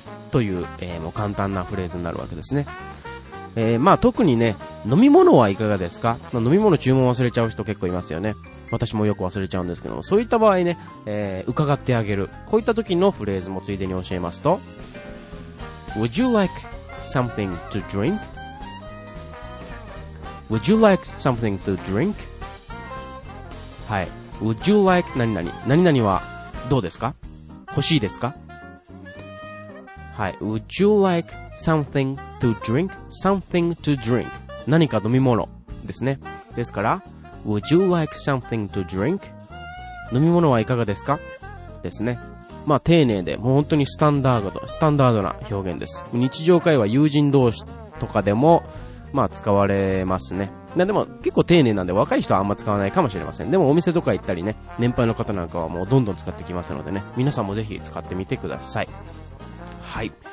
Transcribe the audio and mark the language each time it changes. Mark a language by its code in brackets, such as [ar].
[ja] という、もう簡単なフレーズになるわけですね。まあ特にね、飲み物はいかがですか? まあ、飲み物注文忘れちゃう人結構いますよね。私もよく忘れちゃうんですけども、そういった場合ね、伺ってあげる。こういった時のフレーズもついでに教えますと、 [en] Would you like something to drink? Would you like something to drink? [ja] はい。 [en] Would you like [ja] 何々。何々はどうですか? 欲しいですか?はい。 [en] Would you like something to drink? Something to drink。 [ja] 何か飲み物ですね。ですから、 [en] Would you like something to drink? [ja] 飲み物はいかがですか?ですね。まあ、丁寧で、もう本当にスタンダードな表現です。日常会話、友人同士とかでも、まあ、使われますね。でも、結構丁寧なんで、若い人はあんま使わないかもしれません。でも、お店とか行ったりね、年配の方なんかはもうどんどん使ってきますのでね、皆さんもぜひ使ってみてください。はい。